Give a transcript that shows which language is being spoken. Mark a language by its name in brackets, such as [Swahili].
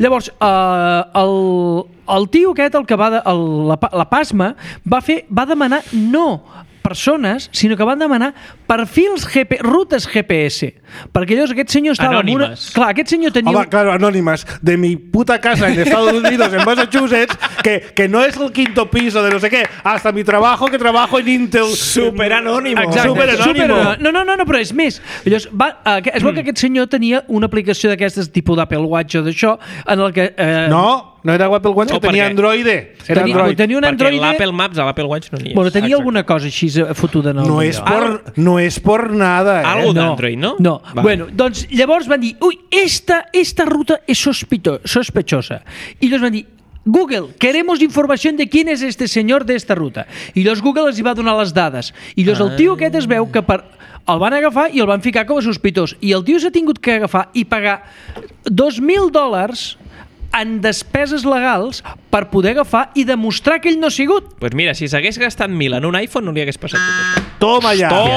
[Catalan] Llavors, el tio aquest, el que va de, la PASMA, va demanar no persones, sinó que van demanar perfils GPS, rutes GPS, perquè llavors aquest senyor estava anònimes. Una... Clar, aquest senyor tenia... [Spanish] Home, claro, anònimes, de mi puta casa en Estados Unidos, en Massachusetts, que no és el quinto piso de [Catalan] no sé què, [Spanish] hasta mi trabajo, que trabajo en Intel. Super anónimo. [Catalan] Exacte. No, però és més. Llavors, es veu que aquest senyor tenia una aplicació d'aquestes, tipus d'Apple Watch o d'això, en el que... No era Apple Watch, tenia Android. Tenia un Android. Perquè l'Apple Maps a l'Apple Watch no n'hi és. Bueno, tenia alguna cosa així fotuda. No és por nada. Algo d'Android, no? No. Va. Bueno, doncs llavors van dir, ui, [Spanish] esta ruta [Catalan] és sospechosa. I llavors van dir, [Spanish] Google, queremos información de quién es este señor de esta ruta. [Catalan] I llavors Google els hi va donar les dades. I llavors el tio aquest es veu que per... el van agafar i el van ficar com a sospitós. I el tio s'ha tingut que agafar i pagar $2,000 en despeses legals per poder agafar i demostrar que ell no ha sigut. Pues mira, si s'hagués gastat 1.000 en un iPhone no li hagués passat tot això.